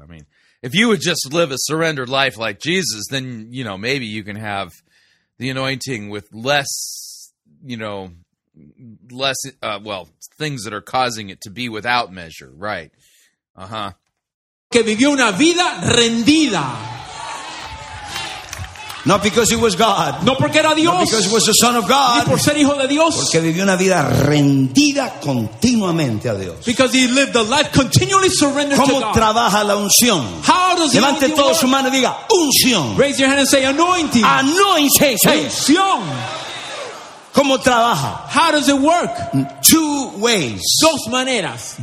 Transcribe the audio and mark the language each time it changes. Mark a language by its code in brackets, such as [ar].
[en] I mean, if you would just live a surrendered life like Jesus, then, you know, maybe you can have the anointing with less, you know, less, well, things that are causing it to be without measure, right? Uh-huh. [es] Que vivió una vida rendida. [en] Not because he was God. [es] No porque era Dios. [en] Not because he was the Son of God. [es] Ni por ser hijo de Dios. Porque vivió una vida rendida continuamente a Dios. [en] Because he lived a life continually surrendered to God. [es] ¿Cómo trabaja la unción? [en] How does he [es] levante todo su mano y diga, unción. [en] Raise your hand and say, anointing. Anointing. [es] Unción. ¿Cómo trabaja? [en] How does it work? Two ways. [es] Dos maneras.